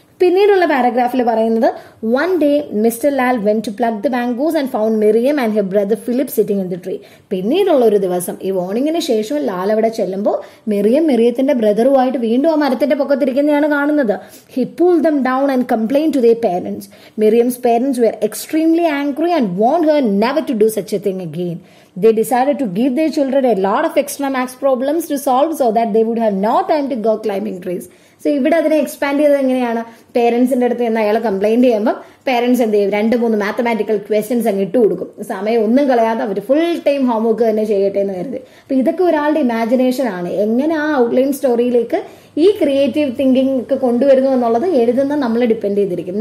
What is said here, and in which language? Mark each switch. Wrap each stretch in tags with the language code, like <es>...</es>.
<ml>പിന്നീടുള്ള പാരഗ്രാഫിൽ പറയുന്നത്</ml> <en>One day mister Lal went to pluck the mangoes and found Miriam and her brother Philip sitting in the tree.</en> <ml>പിന്നീടുള്ള ഒരു ദിവസം ഈ വോണിങ്ങിന് ശേഷം ലാൽ അവിടെ ചെല്ലുമ്പോൾ മിറിയം മിറിയത്തിന്റെ ബ്രദറുമായിട്ട് വീണ്ടും ആ മരത്തിന്റെ പൊക്കത്തിരിക്കുന്നതാണ് കാണുന്നത്.</ml> <en>He pull them down and complain to their parents. Miriam's parents were extremely angry and warned her never to do such a thing again. They decided to give their children a lot of extra maths problems to solve so that they would have no time to go climbing trees.</en> <ml>So ഇവിടെ അതിനെ expand ചെയ്തത് എങ്ങനെയാണ്, പേരൻസിന്റെ അടുത്ത് നിന്ന് അയാൾ complaint ചെയ്യുമ്പോൾ parents എന്ത് ചെയ്യും, രണ്ട് മൂന്ന് മാത്തമാറ്റിക്കൽ ക്വസ്റ്റ്യൻസ് അങ്ങ് ഇട്ട് കൊടുക്കും. സമയം ഒന്നും കളയാതെ അവർ ഫുൾ ടൈം ഹോംവർക്ക് തന്നെ ചെയ്യട്ടെ എന്ന് കരുതി. അപ്പൊ ഇതൊക്കെ ഒരാളുടെ ഇമാജിനേഷൻ ആണ്. എങ്ങനെ ആ ഔട്ട്ലൈൻ സ്റ്റോറിയിലേക്ക് ഈ ക്രിയേറ്റീവ് തിങ്കിങ് ഒക്കെ കൊണ്ടുവരുന്നു എന്നുള്ളത് എഴുതുന്ന നമ്മൾ ഡിപ്പെൻഡ് ചെയ്തിരിക്കും.</ml>